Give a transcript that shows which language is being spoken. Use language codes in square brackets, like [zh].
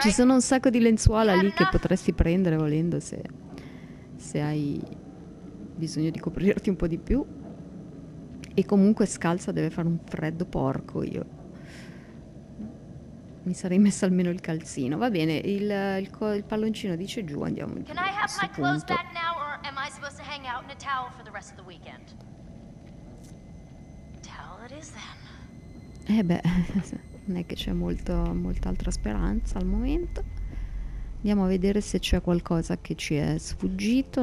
[it] ci sono un sacco di lenzuola lì che potresti prendere volendo se hai bisogno di coprirti un po' di più. E comunque scalza deve fare un freddo porco, io mi sarei messa almeno il calzino. Va bene, il palloncino dice giù, andiamo giù. [en] Can I have my clothes back now or am I supposed to hang out in a towel for the rest of the weekend? Towel it is then. [it] Eh beh, non è che c'è molta altra speranza al momento. Andiamo a vedere se c'è qualcosa che ci è sfuggito.